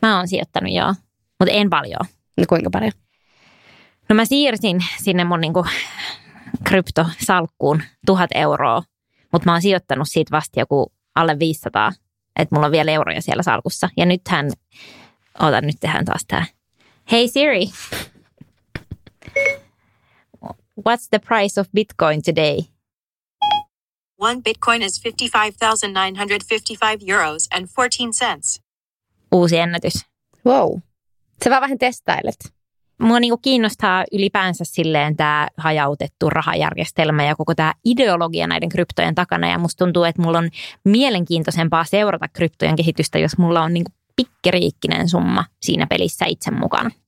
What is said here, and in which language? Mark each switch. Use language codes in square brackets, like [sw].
[fi] Mä oon sijoittanut joo, mutta en paljon. No kuinka paljon? No mä siirsin sinne mun niin kuin kryptosalkkuun 1000 euroa. Mutta mä oon sijoittanut siitä vasta joku alle 500, että mulla on vielä euroja siellä salkussa. Ja nythän, ootan nyt tehdään taas tää. [en] Hey Siri, what's the price of Bitcoin today? 1 Bitcoin is 55,955 euros and 14 cents. [fi] Uusi ennätys. Wow, sä vaan vähän testailet. Mua niinku kiinnostaa ylipäänsä silleen tämä hajautettu rahajärjestelmä ja koko tämä ideologia näiden kryptojen takana. Ja musta tuntuu, että mulla on mielenkiintoisempaa seurata kryptojen kehitystä, jos mulla on niinku pikkeriikkinen summa siinä pelissä itse mukana.